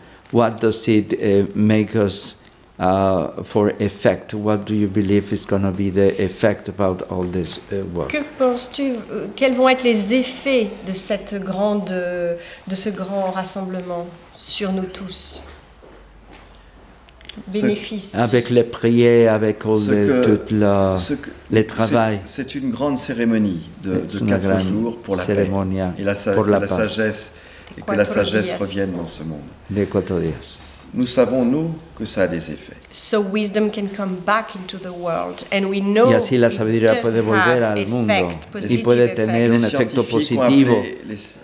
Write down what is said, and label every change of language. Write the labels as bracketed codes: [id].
[en] What does it make us for effect? What do you believe is going to be the effect about all this work? [fr] Que penses-tu? Quels vont être les effets de cette grande, de ce grand rassemblement sur nous tous? Bénéfices. Avec les prières, avec tout le travail. C'est une grande cérémonie de 4 jours pour la paix et la sagesse, et que la sagesse revienne dans ce monde. De 4 jours. Nous savons, nous, que ça a des effets. [en] So wisdom can come back into the world, and we know it does have an effect, positive effect.